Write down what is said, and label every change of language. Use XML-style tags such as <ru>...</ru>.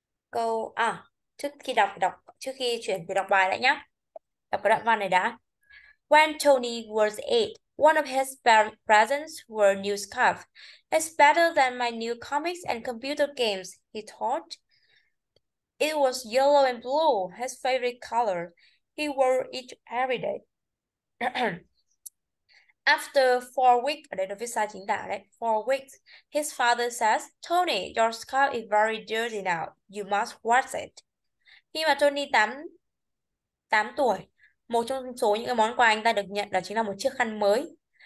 <vi>Câu à, trước khi đọc đọc trước khi chuyển về đọc bài lại nhá. Đọc cái đoạn văn này đã.</vi> <en>When Tony was 8, one of his presents were news cup. It's better than my new comics and computer games, he thought. It was yellow and blue, his favorite color. He wore it every day. After 4 weeks,</en> <vi>ở đây nó viết sai chính tả đấy.</vi> <en>4 weeks, his father says, Tony, your scalp is very dirty now. You must wash it.</en> <vi>Khi mà Tony 8 tuổi, một trong số những cái món quà anh ta được nhận đó chính là một chiếc khăn mới.</vi>